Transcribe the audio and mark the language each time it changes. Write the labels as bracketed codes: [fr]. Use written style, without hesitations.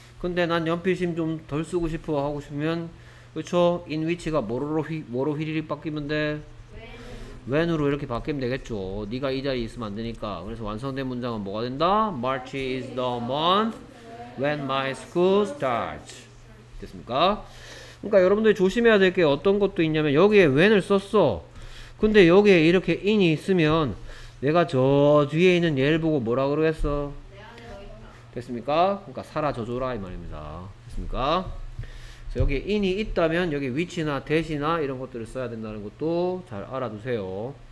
[ko] 근데 난 연필심 좀 덜 쓰고 싶어 하고 싶으면 그렇죠. 인 위치가 뭐로 휘리릭 바뀌면 돼? when으로 이렇게 바뀌면 되겠죠. 네가 이 자리에 있으면 안 되니까. 그래서 완성된 문장은 뭐가 된다? [en] March is the month when my school starts. [ko] 됐습니까? 그러니까 여러분들이 조심해야 될 게 어떤 것도 있냐면 여기에 when을 썼어. 근데 여기에 이렇게 in이 있으면 내가 저 뒤에 있는 얘를 보고 뭐라 그러겠어? 됐습니까? 그러니까 사라져줘라 이 말입니다. 됐습니까? 그래서 여기 in이 있다면 여기 위치나 대시나 이런 것들을 써야 된다는 것도 잘 알아두세요.